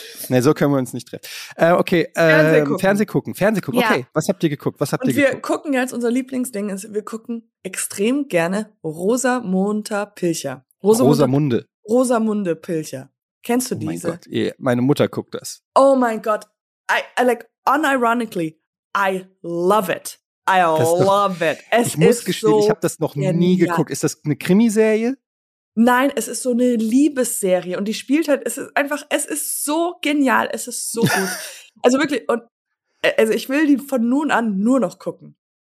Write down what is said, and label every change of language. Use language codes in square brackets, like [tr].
[de] Nee, so können wir uns nicht treffen. Okay, Fernsehen gucken. Okay, was habt ihr geguckt? Gucken jetzt, unser Lieblingsding ist, wir gucken extrem gerne Rosamunde Pilcher. Rosamunde Pilcher. Kennst du diese? Oh mein Gott, meine Mutter guckt das. Oh mein Gott. [en] I like, unironically, I love it. [de] Ich habe das noch nie geguckt. Ist das eine Krimiserie? Nein, es ist so eine Liebesserie. Und die spielt halt, es ist so genial. Es ist so gut. Also wirklich, ich will die von nun an nur noch gucken.